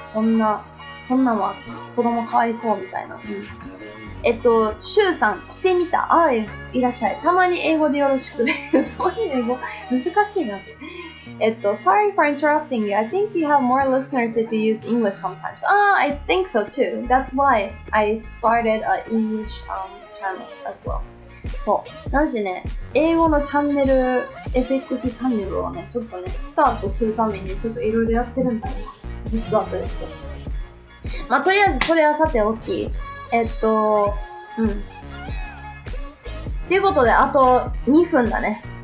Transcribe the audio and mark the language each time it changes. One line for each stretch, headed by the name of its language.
Japanese: こんなは、子供かわいそう、みたいな。うん、シュウさん、来てみた。あ、いらっしゃい。たまに英語でよろしくね。英語難しいな。
English: sorry for interrupting you. I think you have more listeners that you use English sometimes. Ah, I think so too. That's why I started an English channel as well.
Japanese: そう。なんしね、英語のチャンネル、FX チャンネルをね、ちょっとね、スタートするためにちょっといろいろやってるんだね。実はと言って。まあ、とりあえず、それはさておき。うん。っていうことで、あと2分だね。